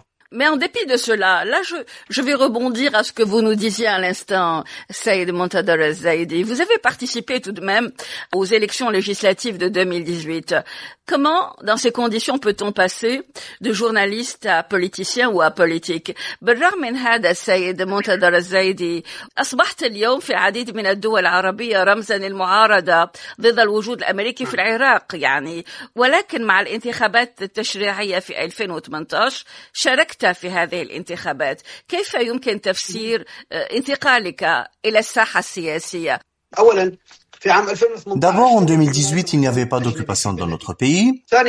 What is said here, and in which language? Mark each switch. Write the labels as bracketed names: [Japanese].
[French] Mais en dépit de cela, là je vais rebondir à ce que vous nous disiez à l'instant, Saïd Montadr Zaidi. Vous avez participé tout de même aux élections législatives de 2018. Comment, dans ces conditions, peut-on passer de journaliste à politicien ou à politique? [Arabic] بالرغم من هذا السيد منتدر الزايدي أصبحت اليوم في العديد من الدول العربية رمزا للمعارضة ضد الوجود الأمريكي في العراق يعني ولكن مع الانتخابات التشريعية في 2018 شاركت في هذه الانتخابات كيف يمكن تفسير انتقالك إلى الساحة السياسية؟ أولا [French] D'abord, en 2018, il n'y avait pas d'occupation dans notre pays.